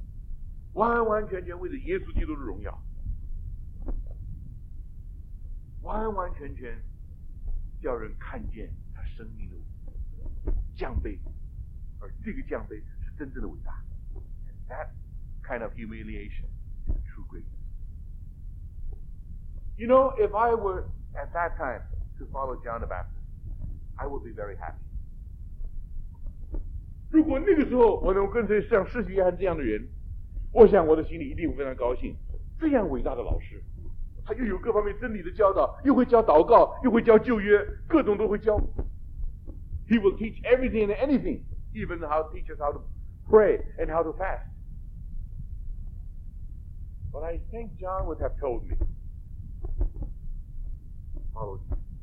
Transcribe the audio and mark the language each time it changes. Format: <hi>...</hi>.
<zh>当我们读到世纪约翰的时候，我们心里面真正的是佩服啊！他是这样一个侍奉主的人，完完全全对自己没有任何的保留，完完全全为了耶稣基督的荣耀。完完全全叫人看见他生命的降卑，而这个降卑是真正的伟大。</zh> <en>And that kind of humiliation is true greatness. You know, if I were at that time to follow John the Baptist, I would be very happy.</en> <zh>如果那个时候我能跟随像世纪约翰这样的人，我想我的心里一定非常高兴。这样伟大的老师。他又有各方面真理的教导，又会教祷告，又会教旧约，各种都会教。</zh> <en>He will teach everything and anything, even how to teach us how to pray and how to fast. But I think John would have told me, follow me.</en>